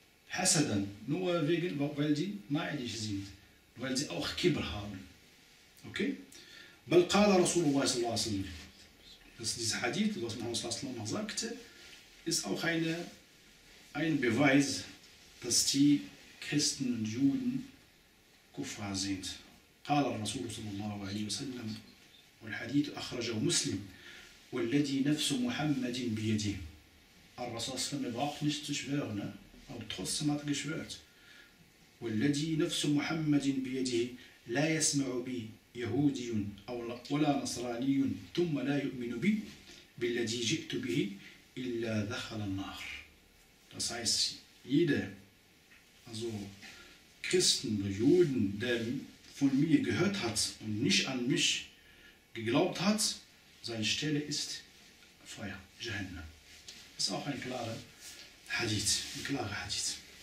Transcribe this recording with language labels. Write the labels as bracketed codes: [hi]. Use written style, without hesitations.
[de] حسدًا nur wegen weil sie neidisch sind weil sie auch Kibr haben okay [ar] بل قال رسول الله صلى الله عليه وسلم [de] das ist dieser Hadith was man uns last noch sagte ist auch ein Beweis, dass die Christen und Juden Kuffar sind. [ar] قال الرسول صلى الله عليه وسلم والحديث أخرجه مسلم والذي نفس محمد بيده. [de] الرسول صلى الله عليه وسلم braucht nicht zu schwören, aber trotzdem hat er geschwört. [ar] والذي نفس محمد بيده لا يسمع بي يهودي أو ولا نصراني ثم لا يؤمن بي بالذي جئت به illa dakhal an-nar. [de] Das heißt, jeder, also Christen oder Juden, der von mir gehört hat und nicht an mich geglaubt hat, seine Stelle ist Feuer, Jahannam. Das ist auch ein klarer Hadith. Ein klarer Hadith.